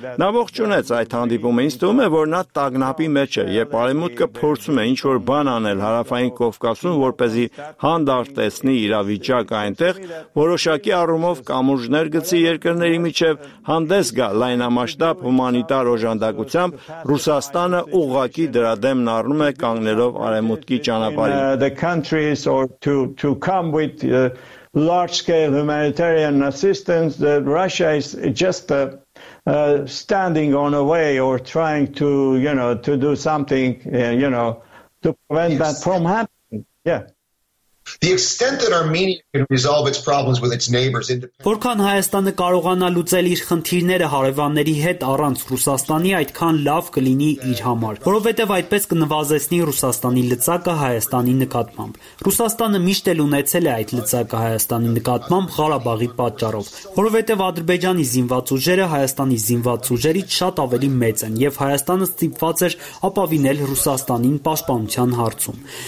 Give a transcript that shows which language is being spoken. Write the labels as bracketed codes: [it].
[hy] Նա ողջունեց այդ հանդիպումը, ինձ թվում է, որ նա տագնապի մեջ է եւ արևմուտքը փորձում է ինչ-որ բան անել Հարավային Կովկասում, որպեսզի հանդարտեսնի իրավիճակը այնտեղ, որոշակի առումով կամուրջներ գցի երկրների միջև, հանդես գա լայնամասշտաբ հումանիտար օժանդակությամբ, Ռուսաստանը ուղղակի դրադեմ նառնում է կանգնելով արևմուտքի ճանապարհին։ [en] With large-scale humanitarian assistance, that Russia is just standing on a way or trying to, you know, to do something, you know, to prevent that from happening. Yeah. The extent that Armenia can resolve its problems with its neighbors independently. [hy] Որքան Հայաստանը կարողանա լուծել իր խնդիրները հարևանների հետ առանց Ռուսաստանի, այդքան լավ կլինի իր համար, որովհետև այդպես կնվազեցնի Ռուսաստանի լծակը Հայաստանի նկատմամբ։ Ռուսաստանը միշտ էլ ունեցել է այդ լծակը Հայաստանի նկատմամբ Ղարաբաղի պատճառով, որովհետև Ադրբեջանի զինված ուժերը Հայաստանի զինված ուժերից շատ ավելի մեծ են եւ Հայաստանը ստիպված էր ապավինել Ռուսաստանին պաշտպանության հարցում։